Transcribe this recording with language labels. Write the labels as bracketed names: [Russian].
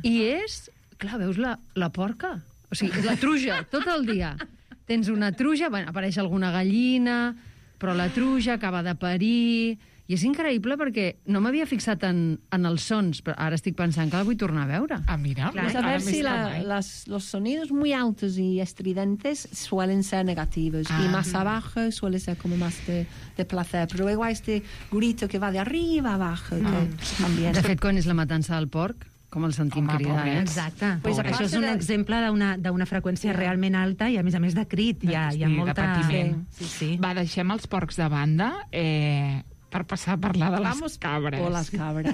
[Catalan] I és, clar, veus la porca? O sigui, la truja, tot el dia. Tens una truja, bueno, apareix alguna gallina, però la truja acaba de parir... I és increïble perquè no m'havia fixat en els sons, però ara estic pensant que la vull tornar a veure. Ah, mira. [Spanish] Clar, pues [Catalan] a veure si [Spanish] los sonidos muy altos y estridentes suelen ser negativos. Ah. Y más abajo suele ser como más de placer. Pero luego este grito que va de arriba a abajo. [Catalan] De fet, quan és la matança del porc, com el sentim home, cridar, pobres. Exacte. Pues això és un exemple d'una freqüència realment alta i, a més de crit. De hi ha molta... De patiment. Sí. Va, deixem els porcs de banda... per passar a parlar de les [Spanish] Vamos [Catalan] cabres. O les cabres.